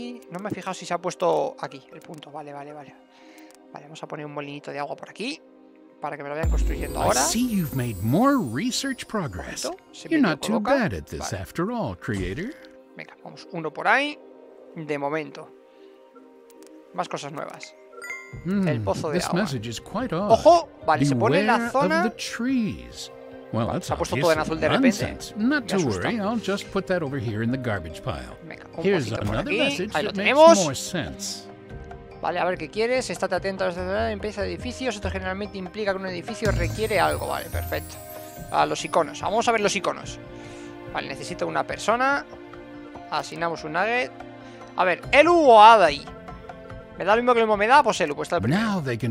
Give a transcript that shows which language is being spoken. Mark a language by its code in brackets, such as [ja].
[es] No me he fijado si se ha puesto aquí el punto, vale. Vale, vamos a poner un molinito de agua por aquí para que me lo vayan construyendo ahora. [en] I see you've made more research progress. You're not too bad at this after all, creator. [es] Venga, vamos uno por ahí de momento. Más cosas nuevas. El pozo de agua. Ojo, vale, se pone en la zona. [en] Well, [es] vale, se ha puesto todo en azul de repente. [en] Not to worry, I'll just put that over here in the garbage pile. Here's another message that makes more sense. [es] Vale, a ver qué quieres. Estate atento a la limpieza de edificios. Esto generalmente implica que un edificio requiere algo. Vale, perfecto. A los iconos. Vamos a ver los iconos. Vale, necesito una persona. Asignamos un nugget. A ver, Elu o Adai. Me da lo mismo que lo mismo me da, pues Elu, pues está el primero.